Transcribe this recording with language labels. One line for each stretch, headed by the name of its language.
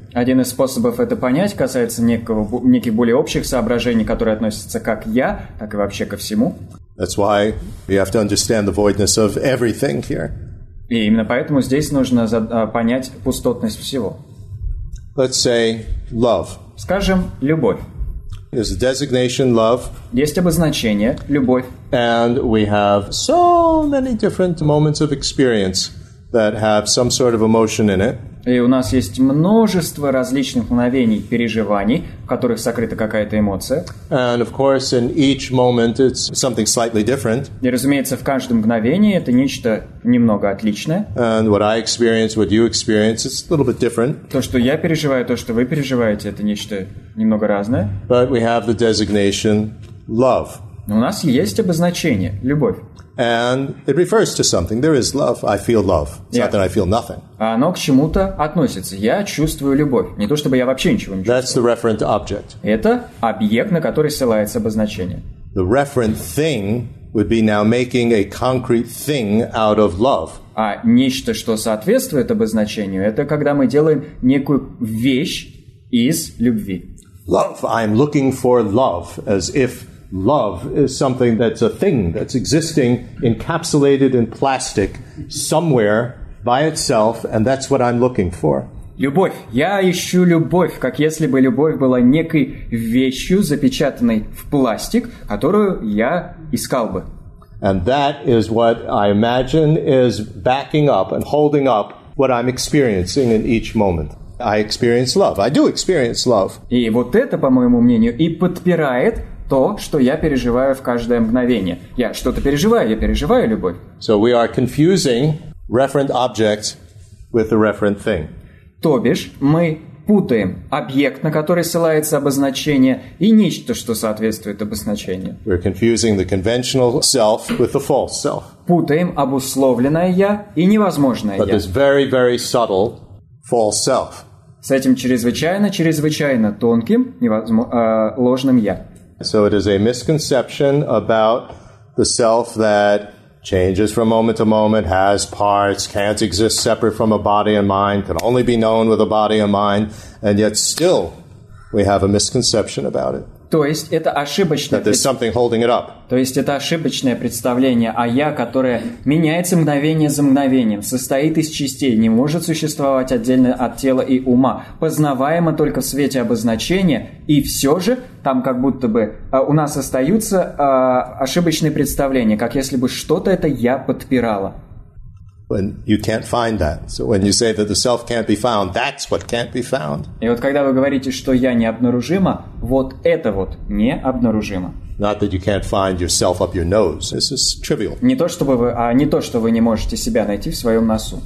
Russian: Один из способов это понять касается неких более общих соображений, которые относятся как я, так и вообще ко всему.
English: That's why you have to understand the voidness of everything here.
Russian: И именно поэтому здесь нужно понять пустотность всего.
English: Let's say love.
Russian: Скажем, любовь.
English: There's a designation, love.
Russian: Есть обозначение, любовь.
English: And we have so many different moments of experience that have some sort of emotion in it.
Russian: И у нас есть множество различных мгновений, переживаний, в которых сокрыта какая-то эмоция.
English: And of course, in each moment, it's something slightly different.
Russian: И, разумеется, в каждом мгновении это нечто немного отличное.
English: And what I experience, what you experience, it's a little bit different.
Russian: То, что я переживаю, то, что вы переживаете, это нечто немного разное.
English: But we have the designation love.
Russian: Но у нас есть обозначение любовь.
English: And it refers to something. There is love. I feel love. It's not that I feel nothing.
Russian: Оно к чему-то относится. Я чувствую любовь. Не то чтобы я вообще ничего не чувствую.
English: That's the referent object.
Russian: Это объект, на который ссылается обозначение.
English: The referent thing would be now making a concrete thing out of love.
Russian: А нечто, что соответствует обозначению, это когда мы делаем некую вещь из любви.
English: Love. I'm looking for love as if love is something that's a thing that's existing, encapsulated in plastic, somewhere by itself, and that's what I'm looking for.
Russian: Любовь. Я ищу любовь, как если бы любовь была некой вещью, запечатанной в пластик, которую я искал бы.
English: And that is what I imagine is backing up and holding up what I'm experiencing in each moment. I experience love. I do experience love.
Russian: И вот это, по моему мнению, и подпирает то, что я переживаю в каждое мгновение. Я что-то переживаю, я переживаю любовь.
English: So we are confusing referent object with the referent thing.
Russian: То бишь, мы путаем объект, на который ссылается обозначение, и нечто, что соответствует обозначению.
English: We're confusing the conventional self with the false self.
Russian: Путаем обусловленное «я» и невозможное «я».
English: But this very, very subtle false self.
Russian: С этим чрезвычайно, чрезвычайно тонким, ложным «я».
English: So it is a misconception about the self that changes from moment to moment, has parts, can't exist separate from a body and mind, can only be known with a body and mind, and yet still we have a misconception about it.
Russian: То есть это ошибочное. То есть это ошибочное представление о я, которое меняется мгновение за мгновением, состоит из частей, не может существовать отдельно от тела и ума, познаваемо только в свете обозначения, и все же там как будто бы у нас остаются ошибочные представления, как если бы что-то это я подпирало.
English: When you can't find that. So when you say that the self can't be found, that's what can't be found.
Russian: И вот когда вы говорите, что я необнаружимо, вот это вот необнаружимо.
English: Not that you can't find yourself up your nose. This is trivial.
Russian: Не то, чтобы вы, а не то, что вы не можете себя найти в своем носу.